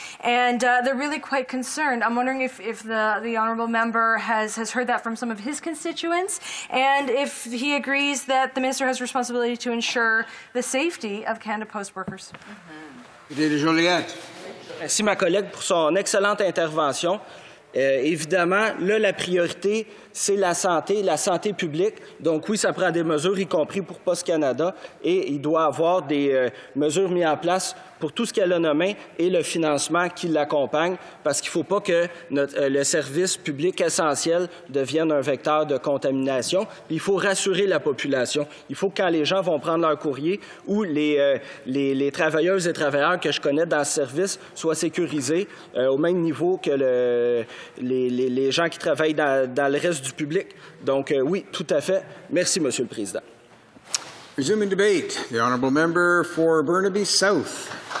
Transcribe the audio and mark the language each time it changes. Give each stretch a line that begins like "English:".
English: And they're really quite concerned. I'm wondering if the honourable member has heard that from some of his constituents, and if he agrees that the minister has responsibility to ensure the safety of Canada Post workers.
French: Juliette. Merci, ma collègue, pour son excellente intervention. Évidemment, là, la priorité, c'est la santé publique. Donc, oui, ça prend des mesures, y compris pour Post Canada, et il doit y avoir des mesures mises en place pour tout ce qu'elle a nommé et le financement qui l'accompagne, parce qu'il ne faut pas que le service public essentiel devienne un vecteur de contamination. Il faut rassurer la population. Il faut que quand les gens vont prendre leur courrier ou les travailleuses et travailleurs que je connais dans ce service soient sécurisés au même niveau que les gens qui travaillent dans le reste du public. Donc, oui, tout à fait. Merci, Monsieur le Président.
English: Resuming debate, the honourable member for Burnaby South.